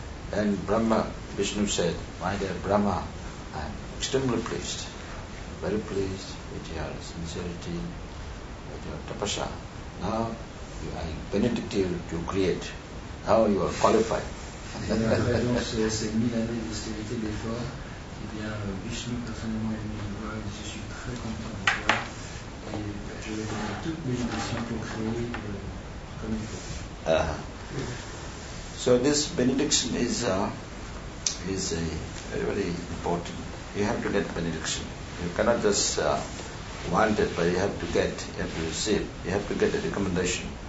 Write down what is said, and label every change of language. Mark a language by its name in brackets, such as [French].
[English] Then Brahma, Vishnu said, my dear Brahma, I am extremely pleased, very pleased with your sincerity, with your tapasya. Now you are benedictive to create. Now you are qualified. [French] Et après donc ces 1000 années d'austérité d'effort, eh bien Vishnu personnellement est venu me voir et je suis très content de toi. Et je vais donner toutes mes intentions pour créer comme il faut. [English] So this benediction is a very, very important. You have to get benediction. You cannot just want it, but you have to get, you have to receive, you have to get a recommendation.